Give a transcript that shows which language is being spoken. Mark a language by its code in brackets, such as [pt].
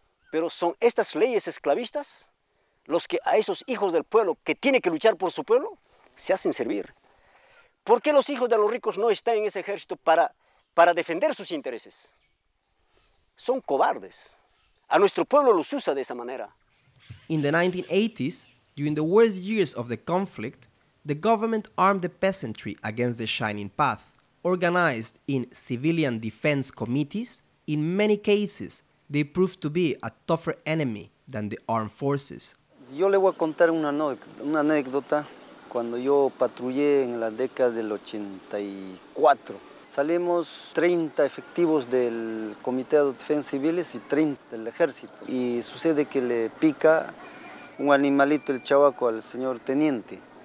[es] Pero son estas leyes esclavistas los que a esos hijos del pueblo que tiene que luchar por su pueblo se hacen servir. ¿Por qué los hijos de los ricos no están en ese ejército para defender sus intereses? Son cobardes. A nuestro pueblo los usa de esa manera. [en] In the 1980s, during the worst years of the conflict, the government armed the peasantry against the Shining Path, organized in civilian defense committees. In many cases, they proved to be a tougher enemy than the armed forces. [es] Yo le voy a contar una anécdota. Cuando yo patrullé en la década del 84, salimos 30 efectivos del Comité de Defensa Civiles y 30 del ejército. Y sucede que le pica un animalito, el chavaco, al señor teniente.